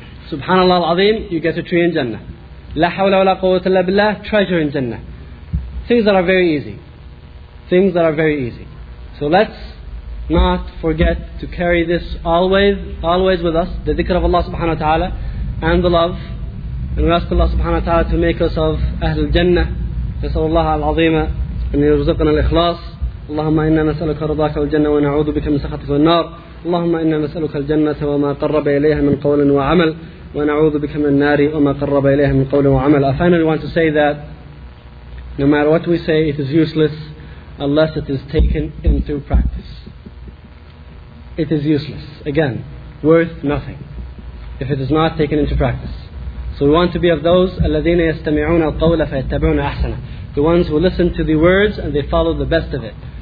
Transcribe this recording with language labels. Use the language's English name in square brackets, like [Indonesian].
[English] Subhanallah al-azim, you get a tree in Jannah. La hawla wa la quwwata illa billah, treasure in Jannah. Things that are very easy. Things that are very easy. So let's not forget to carry this always with us, the dhikr of Allah subhanahu wa ta'ala and the love. And we ask Allah subhanahu wa ta'ala to make us of Ahlul Jannah. [Arabic] نسأل الله العظيم أن يرزقنا الإخلاص. اللهم إنا نسألك رضاك والجنة ونعوذ بك من سخطك والنار. اللهم إنا نسألك الجنة وما قرب إليها من قول وعمل ونعوذ بك من النار وما قرب إليها من قول وعمل. [English] I finally want to say that no matter what we say, it is useless unless it is taken into practice. It is useless. Again, worth nothing if it is not taken into practice. So we want to be of those [Arabic] الَّذِينَ يَسْتَمِعُونَ الْقَوْلَ فَيَتَّبِعُونَ أَحْسَنَهُ, [English] the ones who listen to the words and they follow the best of it.